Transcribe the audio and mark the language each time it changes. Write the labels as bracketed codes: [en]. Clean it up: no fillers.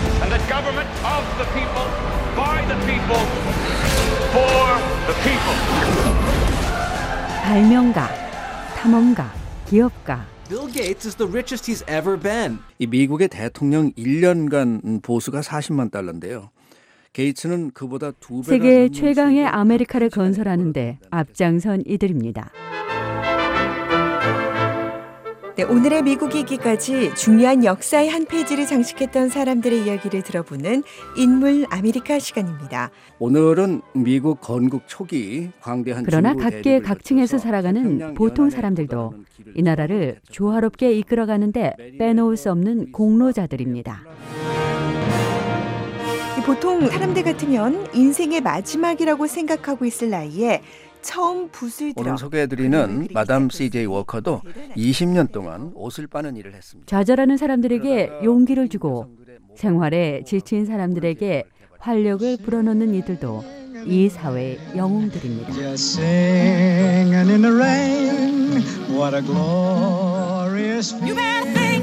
[en] the government of the people, by the people, for the people. [ko] 발명가, 탐험가, 기업가. [en] Bill Gates is the richest he's ever been. [ko] 이 미국의 대통령 1년간 보수가 40만 달러인데요. 게이츠는 그보다 두 배가 넘는 세계 최강의 아메리카를 건설하는 데 앞장선 이들입니다. 네, 오늘의 미국이기까지 중요한 역사의 한 페이지를 장식했던 사람들의 이야기를 들어보는 인물 아메리카 시간입니다. 오늘은 미국 건국 초기 광대한 그러나 각계 각층에서 살아가는 보통 사람들도 이 나라를 조화롭게 이끌어가는 데 빼놓을 수 없는 공로자들입니다. 보통 사람들 같으면 인생의 마지막이라고 생각하고 있을 나이에 처음 붓을 들어 오늘 소개해드리는 마담 CJ 워커도 20년 동안 옷을 빠는 일을 했습니다. 좌절하는 사람들에게 용기를 주고 생활에 지친 사람들에게 활력을 불어넣는 이들도 이 사회의 영웅들입니다. [en] Just singing in the rain, what a glorious feeling.